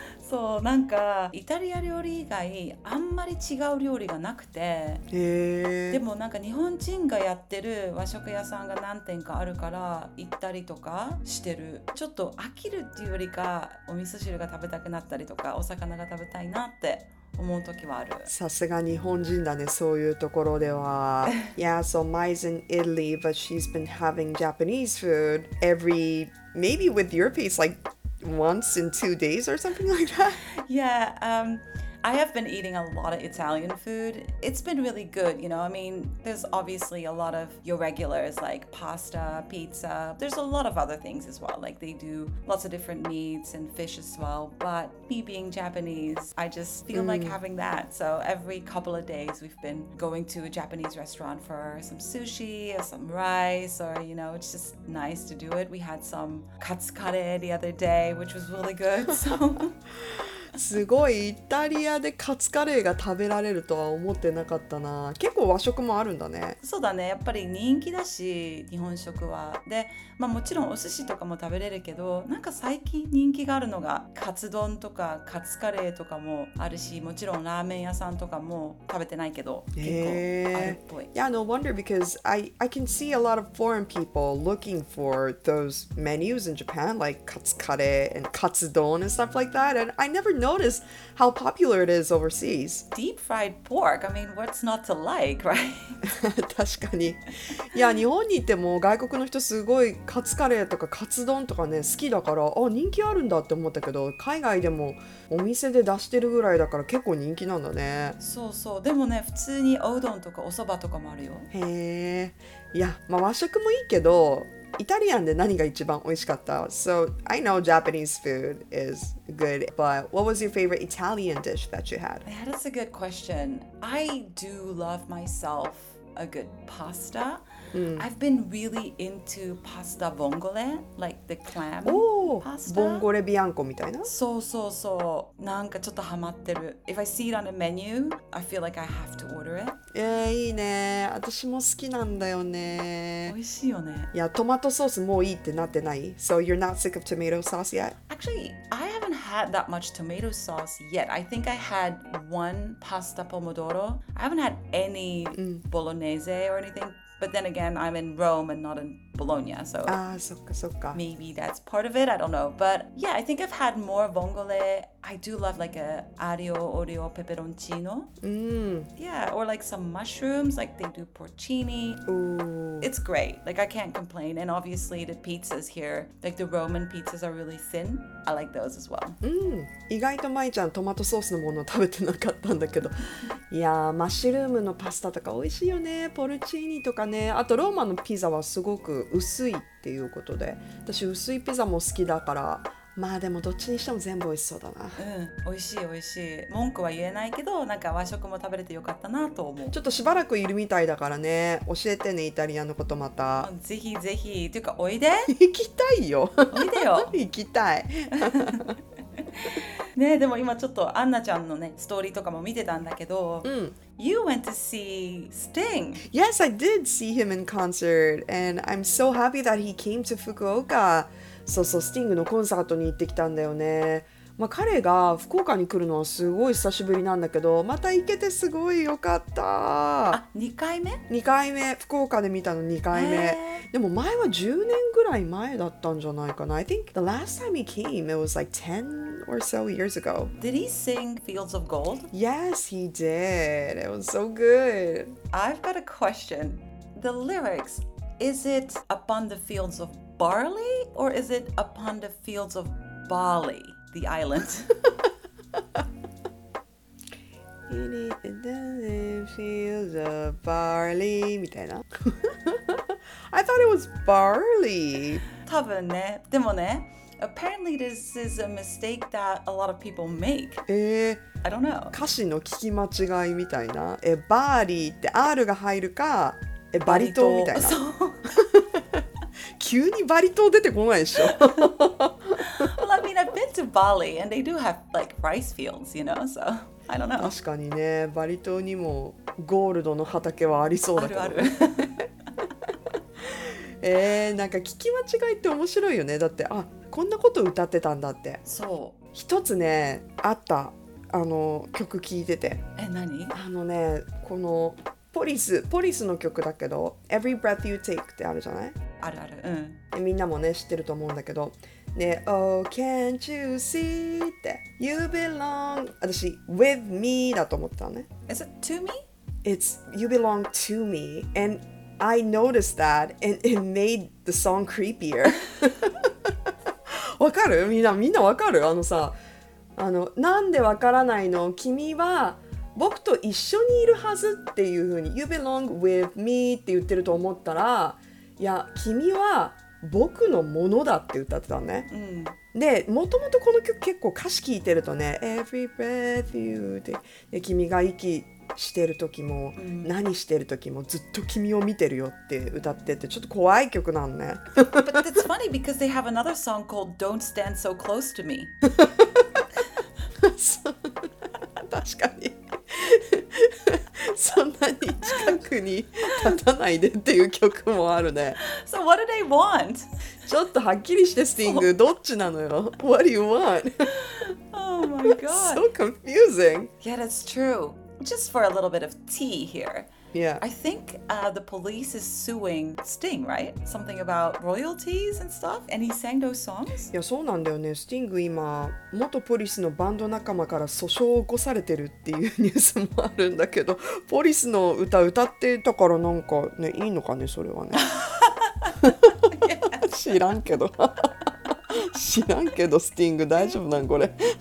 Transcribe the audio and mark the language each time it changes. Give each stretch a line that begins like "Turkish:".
Japanese: そう、なんかイタリア料理以外あんまり違う料理がなくて、でもなんか日本人がやってる和食屋さんが何店かあるから行ったりとかしてる。ちょっと飽きるっていうよりかお味噌汁が食べたくなったりとかお魚が食べたいなって思う時はある。さすが日本人だね、そういうところでは。
English: Yeah, so Mai's in Italy, but she's been having Japanese food every, maybe with your piece, like once in 2 days or something like that. Yeah, I have been eating a lot of Italian food. It's been really good, you know, I mean, there's obviously a lot of your regulars like pasta, pizza. There's a lot of other things as well. Like they do lots of different meats and fish as well. But me being Japanese, I just feel like having that. So every couple of days we've been going to a Japanese restaurant for some sushi or some rice or, you know, it's just nice to do it. We had some katsukare the other day, which was really good. So...
Japanese: すごい、イタリアでカツカレーが食べられるとは思ってなかったな。結構和食もあるんだね。そうだね、やっぱり人気だし日本食は。で、まあ、もちろんお寿司とかも食べれるけど、なんか最近人気があるのがカツ丼とかカツカレーとかもあるし、もちろんラーメン屋さんとかも食べてないけど結構あるっぽい。
English: Yeah, no wonder because I can see a lot of foreign people looking for those menus in Japan like カツカレー and カツ丼 and stuff like that, and I neverNotice how popular it is overseas. Deep fried pork. I mean, what's not to like, right?
Japanese: 確かに。いや、日本にいても外国の人すごいカツカレーとかカツ丼とかね、好きだから、あ、人気あるんだって思ったけど、海外でもお店で出してるぐらいだから結構人気なんだね。そうそう。でもね、普通におうどんとかおそばとかもあるよ。へー。いや、まあ和食もいいけど、イタリアンで何が一番美味しかった？
English: So, I know Japanese food is good, but what was your favorite Italian dish that you had? That is a good question. I do love myself a good pasta. I've been really into pasta vongole, like the clam pasta.
Japanese: Vongole bianco みたいな？そうそうそう。なんかちょっとハマってる。
English: If I see it on a menu, I feel like I have to order it.
Japanese: いいね。私も好きなんだよね。美味しいよね。いや、トマトソースもういいってなってない。
English: So you're not sick of tomato sauce yet? Actually, I haven't had that much tomato sauce yet. I think I had one pasta pomodoro. I haven't had any bolognese or anything. But then again, I'm in Rome and not in Bologna. So
Japanese: ああ、そっかそっか。
English: Maybe that's part of it. I don't know. But yeah, I think I've had more vongole. I do love like a aglio olio peperoncino. Yeah, or like some mushrooms, like they do porcini. Ooh. It's great. Like I can't complain. And obviously the pizzas here, like the Roman pizzas are really thin. I like those as well.
Japanese: 意外とマイちゃんトマトソースのものを食べてなかったんだけど。いやー、マッシュルームのパスタとか美味しいよね。ポルチーニとかね。あとローマのピザはすごく薄いっていうことで。私薄いピザも好きだから。まあでもどっちにしても全部美味しそうだな。うん、美味しい美味しい。文句は言えないけど、なんか和食も食べれてよかったなと思う。ちょっとしばらくいるみたいだからね、教えてね、イタリアのことまた。ぜひぜひ、というかおいで。行きたいよ。おいでよ。行きたい。ね、でも今ちょっとアンナちゃんのねストーリーとかも見てたんだけど、うん、
English: You went to see Sting. Yes, I did see him in concert, and I'm so happy that he came to Fukuoka.
Japanese: そうそう、スティングのコンサートに行ってきたんだよね。まあ、彼が福岡に来るのはすごい久しぶりなんだけど、また行けてすごいよかった。あ、2回目？ 2 回目、福岡で見たの2回目。でも前は10年ぐらい前だったんじゃないかな。
English: I think the last time he came, it was like 10 or so years ago. Did he sing Fields of Gold? Yes, he did. It was so good. I've got a question. The lyrics, is it upon the fields of barley or is it upon the fields of Bali? The island. In the fields of barley,
Japanese: みたいな。
English: I thought it was barley.
Japanese: 多分ね。でもね、
English: apparently this is a mistake that a lot of people make. I don't know.
Japanese: 歌詞の聞き間違いみたいな。え、バーリーって R が入るか、え、バリ島みたいな。そう。急にバリ島出てこないでしょ。
English: Well, I mean, I've been to Bali and they do have like rice fields, you know, so I don't know.
Japanese: 確かにね、バリ島にもゴールドの畑はありそうだけど。あるある。なんか聞き間違いって面白いよね。だって、あ、こんなこと歌ってたんだって。そう。一つね、あった、あの曲聞いてて。え、何？あのね、このポリスの曲だけど、Every Breath You Take ってあるじゃない？あるある。うん。で、みんなもね、知ってると思うんだけど、ね、
English: Oh, can't you see
Japanese: って
English: You belong 私 with me
Japanese: だと思ってたね。
English: Is it to me? It's you belong to me and I noticed that and it made the song creepier.
Japanese: わかる？みんなわかる？あのさ、あの、なんでわからないの？君は僕と一緒にいるはずっていう風に
English: You belong with me
Japanese: って言ってると思ったら、いや、君は僕のものだって歌ってたね、うん、で、もともとこの曲結構歌詞聞いてるとね、うん、Every breath you take で、君が息してる時も、うん、何してる時もずっと君を見てるよって歌ってて、ちょっと怖い曲なんね。
English: But that's funny because they have another song called Don't Stand So Close To Me.
Japanese: 確かにそんなに近くに立たないでっていう曲もあるね。
English: So what do they want?
Japanese: ちょっとはっきりして、スティング、どっちなのよ。
English: What do you want? Oh my god. So confusing. Yeah, that's true. Just for a little bit of tea here. Yeah. I think the police is suing Sting, right? Something about royalties and stuff? And he sang those songs?
Japanese: いや、そうなんだよね。スティング今、元ポリスのバンド仲間から訴訟を起こされてるっていうニュースもあるんだけど、ポリスの歌歌ってたから、なんかね、いいのかね、それはね。知らんけど。知らんけど、スティング大丈夫なんこれ。